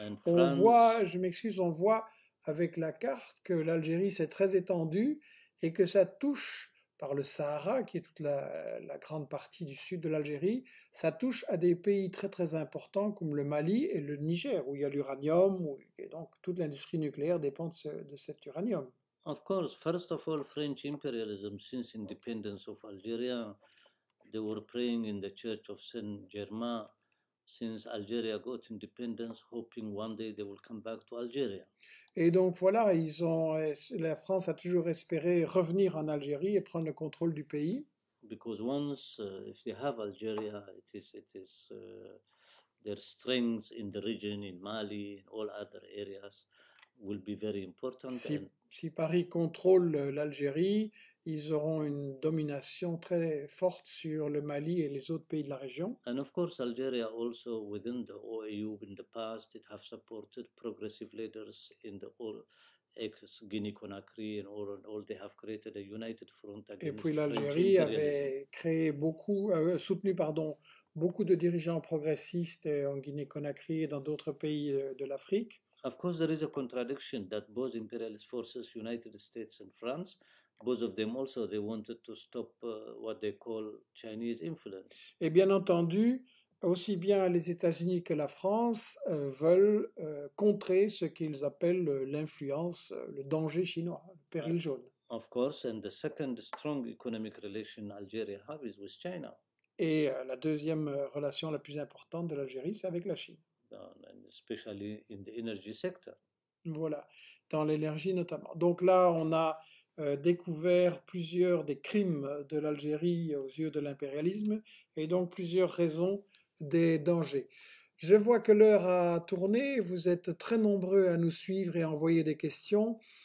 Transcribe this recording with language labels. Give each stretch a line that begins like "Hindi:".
French: On voit avec la carte que l'Algérie s'est très étendue et que ça touche, par le Sahara, qui est toute la grande partie du sud de l'Algérie, ça touche à des pays très très importants comme le Mali et le Niger, où il y a l'uranium, et donc toute l'industrie nucléaire dépend de cet uranium.
English: Of course, first of all, French imperialism, since independence of Algeria, they were praying in the church of Saint-Germain, since Algeria got independence, hoping one day they will come back to Algeria.
French: Et donc voilà, la France a toujours espéré revenir en Algérie et prendre le contrôle du pays.
English: Because once, if they have Algeria, it is their strength in the region, in Mali, in all other areas, will be very important.
French: Si Paris contrôle l'Algérie, ils auront une domination très forte sur le Mali et les autres pays de la région.
English: And of course, Algeria also within the OAU in the past, it have supported progressive leaders in the old ex-Guinée-Conakry and all they have created a united front against.
French: Et puis l'Algérie avait créé beaucoup de dirigeants progressistes en Guinée-Conakry et dans d'autres pays de l'Afrique.
English: Of course, there is a contradiction that both imperialist forces, United States and France, both of them also, they wanted to stop what they call Chinese influence.
French: Et bien entendu, aussi bien les États-Unis que la France veulent contrer ce qu'ils appellent l'influence, le danger chinois, le péril jaune.
English: Of course, and the second strong economic relation Algeria have is with China.
French: Et la deuxième relation la plus importante de l'Algérie, c'est avec la Chine.
English: And especially in the energy sector.
French: Voilà, dans l'énergie notamment. Donc là, on a découvert plusieurs des crimes de l'Algérie aux yeux de l'impérialisme et donc plusieurs raisons des dangers. Je vois que l'heure a tourné, vous êtes très nombreux à nous suivre et à envoyer des questions.